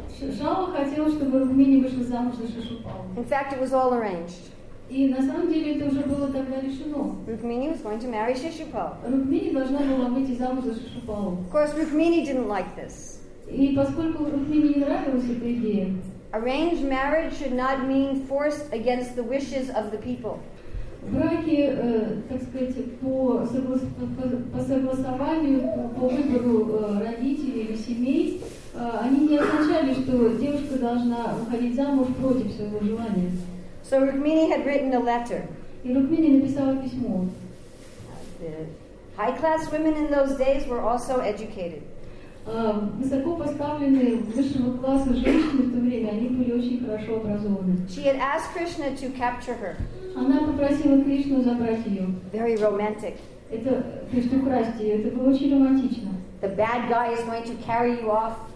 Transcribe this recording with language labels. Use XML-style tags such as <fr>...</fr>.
<ru>Шалва хотел, чтобы Рукмини вышла замуж за Шишупала.</ru> <en>In fact, it was all arranged.</en> <ru>И на самом деле это уже было тогда решено.</ru> <en>Rukmini was going to marry Shishupal.</en> <ru>Rukmini должна была выйти замуж за Шишупалу.</ru> <en>Of course, Rukmini didn't like this.</en> <ru>И поскольку Rukmini не нравилась эта идея.</ru> <en>Arranged marriage should not mean forced against the wishes of the people.</en> <ru>Браки, так сказать, по согласованию, по выбору родителей или семей, они не означали, что девушка должна выходить замуж против своего желания.</ru> <en>So Rukmini had written a letter.</en> <ru>И Рукмини написала письмо.</ru> <en>The high-class women in those days were also educated.</en> <ru>Высоко поставленные высшего класса женщины в то время, они были очень хорошо образованы.</ru> <en>She had asked Krishna to capture her.</en> <ru>Она попросила Кришну забрать ее.</ru> <en>Very romantic.</en> <ru>Это Кришну украсть ее. Это было очень романтично.</ru> <en>The bad guy is going to carry you off.</en>